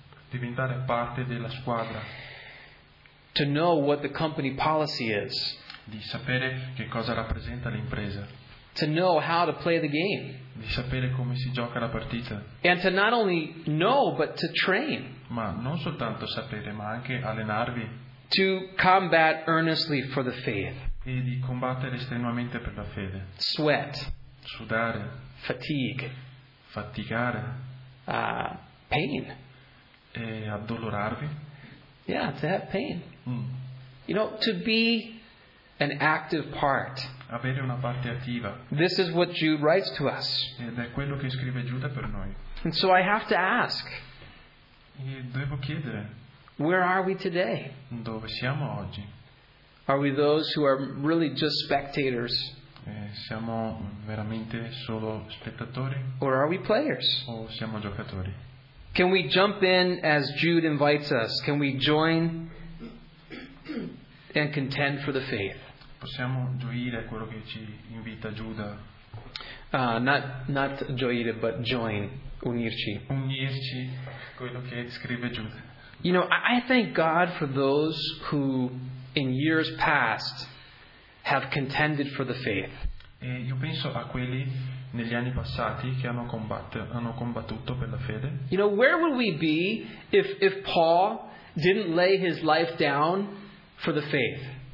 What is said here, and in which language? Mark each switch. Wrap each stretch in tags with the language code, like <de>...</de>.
<it>Diventare parte della squadra.</it> <en>To know what the company policy is.</en> <it>Di sapere che cosa rappresenta l'impresa.</it> <en>To know how to play the game.</en> <it>Di sapere come si gioca la partita.</it> <en>And to not only know, but to train.</en> <it>Ma non soltanto sapere, ma anche allenarvi.</it> <en>To combat earnestly for the faith.</en> <it>E di combattere estremamente per la fede.</it> <en>Sweat.</en> <it>Sudare.</it> <en>Fatigue.</en> <it>Faticare.</it> <en>Pain.</en> <it>E addolorarvi.</it> <en>Yeah, to have pain. You know, to be an active part.</en> <it>Avere una parte attiva.</it> <en>This is what Jude writes to us.</en> <it>Ed è quello che scrive Giuda per noi.</it> <en>And so I have to ask.</en> <it>E devo chiedere.</it> <en>Where are we today?</en> <it>Dove siamo oggi?</it> <en>Are we those who are really just spectators?</en> <it>Siamo veramente solo spettatori?</it> <en>Or are we players?</en> <it>O siamo giocatori?</it> <en>Can we jump in as Jude invites us? Can we join and contend for the faith?</en> <it>Possiamo gioire a quello che ci invita Giuda.</it> <en>Not gioire, but join, unirci.</en> <it>Unirci, quello che scrive Giuda.</it> <en>You know, I thank God for those who in years past have contended for the faith.</en> <it>E io penso a quelli negli anni passati che hanno combattuto per la fede.</it> <en>You know, where would we be if Paul didn't lay his life down for the faith?</en>